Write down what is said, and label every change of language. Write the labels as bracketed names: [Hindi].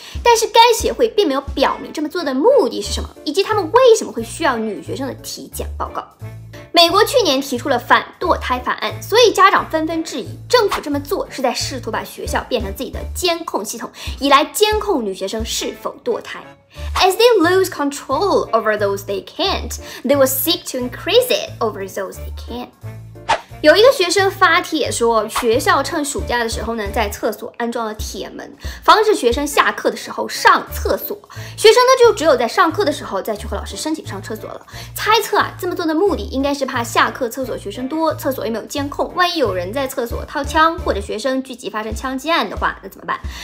[Chinese] 但是该协会并没有表明这么做的目的是什么，以及他们为什么会需要女学生的体检报告。美国去年提出了反堕胎法案，所以家长纷纷质疑政府这么做是在试图把学校变成自己的监控系统，以来监控女学生是否堕胎。 [English] As they lose control over those they can't, they will seek to increase it over those they can. [Chinese] 有一个学生发帖说，学校趁暑假的时候呢，在厕所安装了铁门，防止学生下课的时候上厕所。学生呢，就只有在上课的时候再去和老师申请上厕所了。猜测啊，这么做的目的应该是怕下课厕所学生多，厕所又没有监控，万一有人在厕所掏枪，或者学生聚集发生枪击案的话，那怎么办？